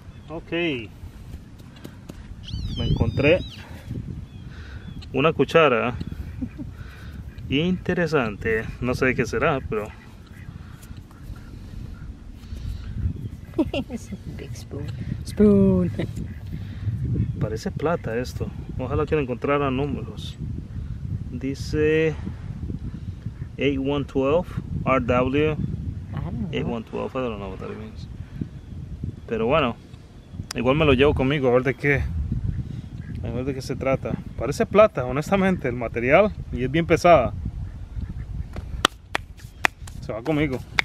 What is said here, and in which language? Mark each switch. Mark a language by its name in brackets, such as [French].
[Spanish] Okay, me encontré una cuchara interesante, no sé qué será, pero... [English] It's a big spoon. Spoon. [Spanish] Parece plata esto, ojalá que lo encontrara números. Dice 8112, RW, 8112, [English] I don't know what that means. [Spanish] Pero bueno. Igual me lo llevo conmigo, a ver de qué. A ver de qué se trata. Parece plata, honestamente, el material. Y es bien pesada. Se va conmigo.